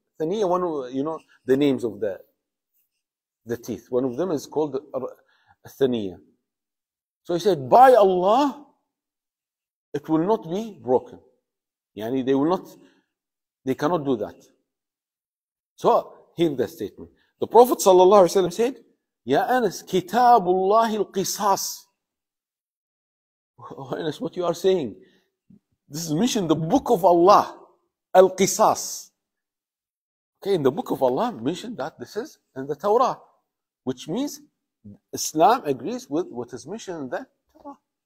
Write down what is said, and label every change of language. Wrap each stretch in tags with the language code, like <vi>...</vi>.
<en>Taniyat, one of, you know, the names of the teeth. One of them is called Athaniya. So he said, by Allah, it will not be broken. Yani they cannot do that. So here's the statement. The Prophet صلى الله عليه وسلم said,</en> <ar>يا أنس كتاب الله القصاص.</ar> <en>Oh, Anas, what you are saying? This is mentioned the book of Allah, القصاص. Okay, in the book of Allah mentioned that this is in the Torah, which means Islam agrees with what is mentioned in the Torah.</en>